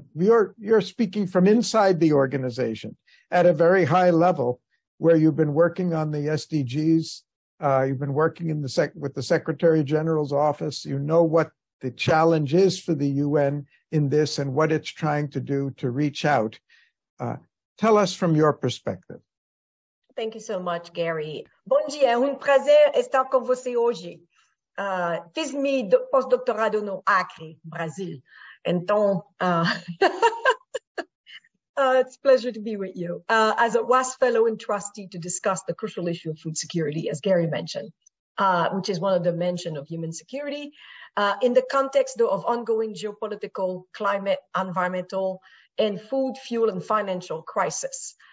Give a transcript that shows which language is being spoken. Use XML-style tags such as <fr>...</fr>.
<en>You're speaking from inside the organization at a very high level, where you've been working on the SDGs. You've been working in with the Secretary General's office. You know what the challenge is for the UN in this and what it's trying to do to reach out. Tell us from your perspective. Thank you so much, Garry.</en> <pt>Bom dia, é prazer estar com você hoje. Fiz meu pós-doutorado no Acre, Brasil. Então,</pt> <en>it's a pleasure to be with you. As a WAAS fellow and trustee to discuss the crucial issue of food security, as Garry mentioned, which is one of the mentions of human security, in the context though, of ongoing geopolitical, climate, environmental, and food, fuel, and financial crisis.</en>